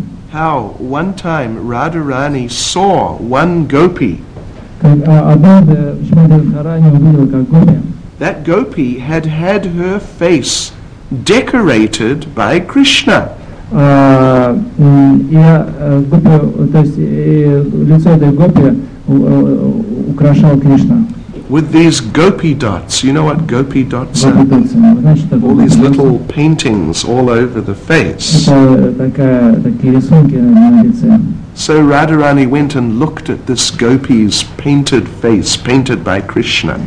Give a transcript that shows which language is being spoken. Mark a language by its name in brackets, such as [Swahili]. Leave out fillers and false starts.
[English] How one time Radharani saw one gopi. That gopi had her face decorated by Krishna. [Russian] я гопи, то есть лицо этой гопи украшал Кришна. [English] With these gopi dots, you know what gopi dots are? All these little paintings all over the face. So Radharani went and looked at this gopi's painted face, painted by Krishna.